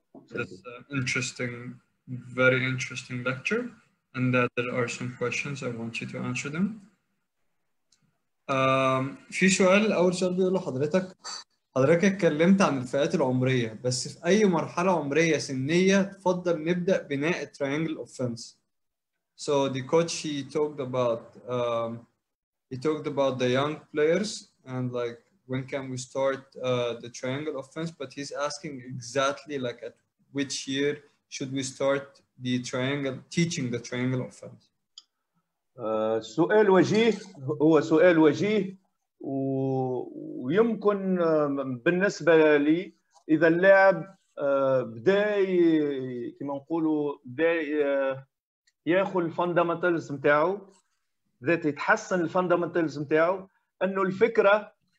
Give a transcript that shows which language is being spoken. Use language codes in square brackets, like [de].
[en] this interesting, very interesting lecture, and that there are some questions I want you to answer them. [ar] في سؤال أول سؤال بيقول لحضرتك حضرتك اتكلمت عن الفئات العمرية بس في أي مرحلة عمرية سنية تفضل نبدأ بناء triangle offense. [en] So the coach he talked about the young players and like when can we start the triangle offense, but he's asking exactly like at which year should we start the triangle teaching the triangle offense. [ar] سؤال وجيه هو سؤال وجيه ويمكن بالنسبة لي إذا اللاعب بداي كما نقوله بداي يأخذ الفندمنتالز متاعه ذات يتحسن الفندمنتالز متاعه أنه الفكرة